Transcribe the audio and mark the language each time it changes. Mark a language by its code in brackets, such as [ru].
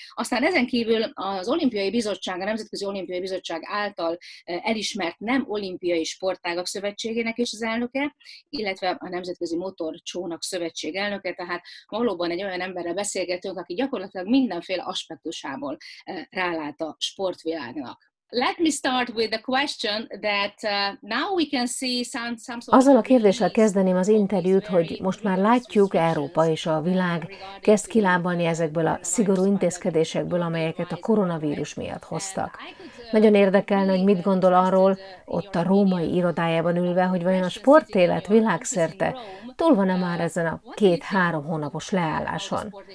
[hu] Aztán ezen kívül az Olimpiai Bizottság, a Nemzetközi Olimpiai Bizottság által elismert nem olimpiai sportágak szövetségének is az elnöke, illetve a Nemzetközi Motorcsónak Szövetség elnöke, tehát valóban egy olyan emberrel beszélgetünk, aki gyakorlatilag mindenféle aspektusából rálát a sportvilágnak. [en] Let me start with the question that now we can see some sort of... [hu] Azzal a kérdéssel kezdeném az interjút, hogy most már látjuk, Európa és a világ kezd kilábalni ezekből a szigorú intézkedésekből, amelyeket a koronavírus miatt hoztak. Nagyon érdekelne, hogy mit gondol arról, ott a római irodájában ülve, hogy vajon a sportélet világszerte túl van-e már ezen a 2-3 hónapos leálláson.